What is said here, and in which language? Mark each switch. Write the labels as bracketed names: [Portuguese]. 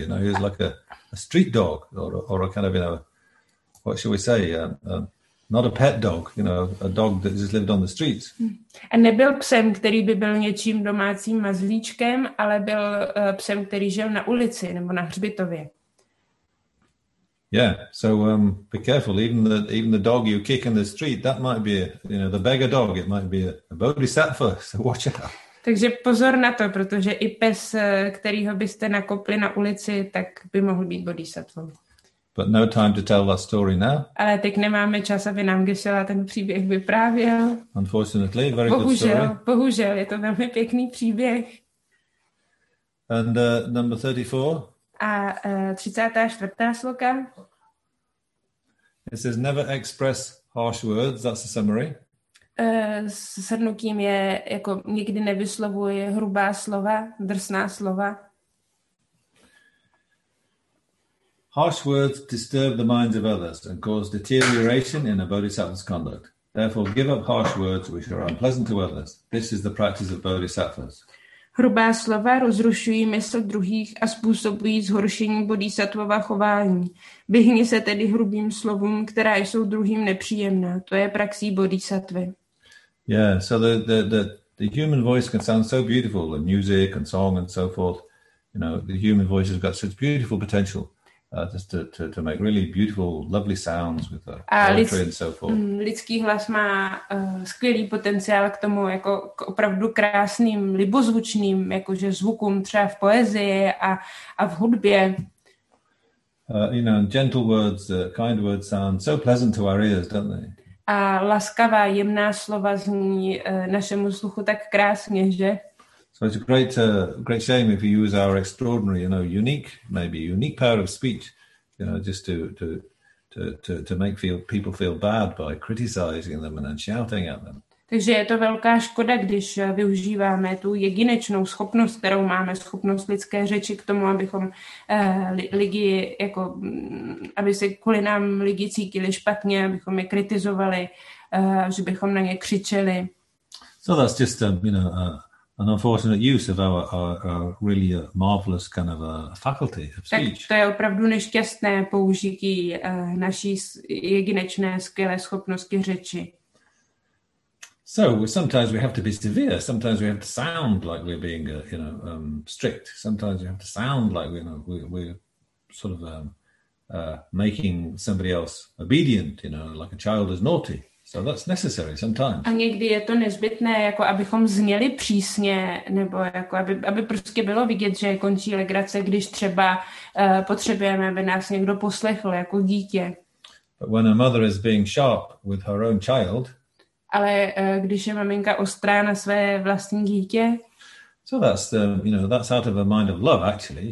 [English] You know, he was like a street dog or a kind of, you know, what should we say? Not a pet dog, you know, a dog that just lived on the streets. [Czech] A nebyl psem, který by byl něčím domácím mazlíčkem, ale byl psem, který žil na ulici nebo na hřbitově. [English] Yeah, so be careful. Even the dog you kick in the street, that might be, you know, the beggar dog. It might be a bodhisattva. So watch out. [Czech] Takže pozor na to, protože i pes, kterýho byste nakopli na ulici, tak by mohl být bodhisattva. [English] But no time to tell that story now. [Czech] Ale teď nemáme čas, aby nám Geshe-la ten příběh vyprávěl. [English] Unfortunately, very [Czech] bohužel, [English] good story. [Czech] Bohužel, je to velmi pěkný příběh. [English] And number 34. [Czech] A 34. sloka. [English] It says never express harsh words, that's the summary. [Czech] Shrnutím je jako nikdy nevyslovuje hrubá slova, drsná slova. [English] Harsh words disturb the minds of others and cause deterioration in a bodhisattva's conduct. Therefore, give up harsh words which are unpleasant to others. This is the practice of bodhisattvas. [Czech] Hrubá slova rozrušují mysl druhých a způsobují zhoršení bodhisattvova chování. Vyhni se tedy hrubým slovům, která jsou druhým nepříjemná. To je praxí bodhisattvy. [English] Yeah, so the human voice can sound so beautiful, the music and song and so forth. You know, the human voice has got such beautiful potential. Just to make really beautiful, lovely sounds with the poetry and so forth. [Czech] Lidský hlas má skvělý potenciál k tomu, jako k opravdu krásným, libozvučným, jakože zvukům třeba v poezii a v hudbě. [English] You know, gentle words, kind words sound so pleasant to our ears, don't they? [Czech] A laskavá, jemná slova zní našemu sluchu tak krásně, že? [English] So it's a great shame if we use our extraordinary, you know, unique power of speech, you know, just to make people feel bad by criticizing them and shouting at them. [Czech] Takže je to velká škoda, když využíváme tu jedinečnou schopnost, kterou máme, schopnost lidské řeči k tomu, abychom lidi jako aby se kvůli nám lidi cítili špatně, abychom je kritizovali, že bychom na ně křičeli. [English] So that's just you know, an unfortunate use of our really marvelous kind of a faculty of speech. [Czech] Tak to je opravdu nešťastné použití naší jedinečné skvělé schopnosti řeči. [English] So sometimes we have to be severe. Sometimes we have to sound like we're being, you know, strict. Sometimes we have to sound like you know we're sort of making somebody else obedient. You know, like a child is naughty. So that's necessary sometimes. [Czech] A někdy je to nezbytné, jako abychom zněli přísně, nebo jako aby prostě bylo vidět, že končí legrace, když třeba potřebujeme, aby nás někdo poslechl, jako dítě. [English] But when a mother is being sharp with her own child, [Czech] ale když je maminka ostrá na své vlastní dítě, [English] So that's the, you know, that's out of a mind of love, actually.